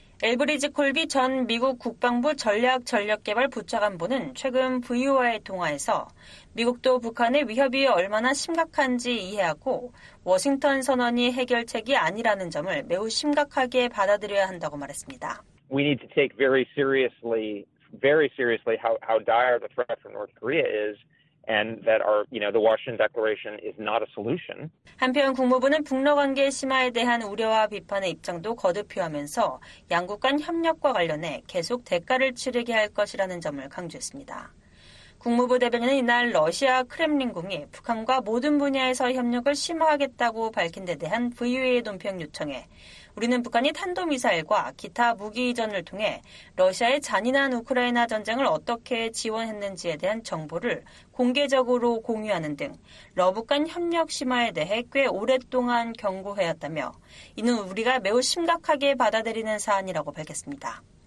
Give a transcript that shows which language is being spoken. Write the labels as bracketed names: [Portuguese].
[Korean] 엘브리지 콜비 전 미국 국방부 전략전력개발 부차관보는 최근 VOA 통화에서 미국도 북한의 위협이 얼마나 심각한지 이해하고 워싱턴 선언이 해결책이 아니라는 점을 매우 심각하게 받아들여야 한다고 말했습니다. [English] We need to take very seriously how dire the threat from North Korea is. And that our, you know, the Washington Declaration is not a solution. [Korean] 한편 국무부는 북러 관계 심화에 대한 우려와 비판의 입장도 거듭 표하면서 양국 간 협력과 관련해 계속 대가를 치르게 할 것이라는 점을 강조했습니다. 국무부 대변인은 이날 러시아 크렘린궁이 북한과 모든 분야에서 협력을 심화하겠다고 밝힌 데 대한 VOA 논평 요청에 우리는 북한이 탄도미사일과 기타 무기 이전을 통해 러시아의 잔인한 우크라이나 전쟁을 어떻게 지원했는지에 대한 정보를 공개적으로 공유하는 등 러브 간 협력 심화에 대해 꽤 오랫동안 경고해왔다며 이는 우리가 매우 심각하게 받아들이는 사안이라고 밝혔습니다.